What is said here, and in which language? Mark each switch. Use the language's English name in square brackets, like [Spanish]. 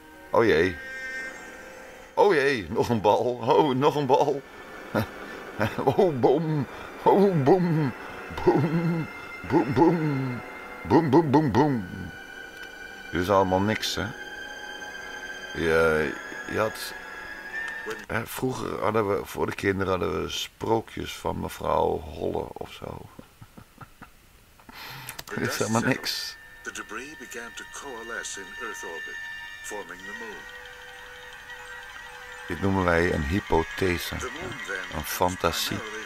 [Dutch] Oh jee, nog een bal. Oh, nog een bal. Oh, boom. Oh, boom. Boom. Boom, boom. Boom, boom, boom, boom. Dit is allemaal niks, hè. Je had... Vroeger hadden we, voor de kinderen hadden we sprookjes van mevrouw Holle of zo. Dit is helemaal niks. [English] The debris began to coalesce in Earth orbit, forming the moon. [Dutch] Dit noemen wij een hypothese, een fantasie.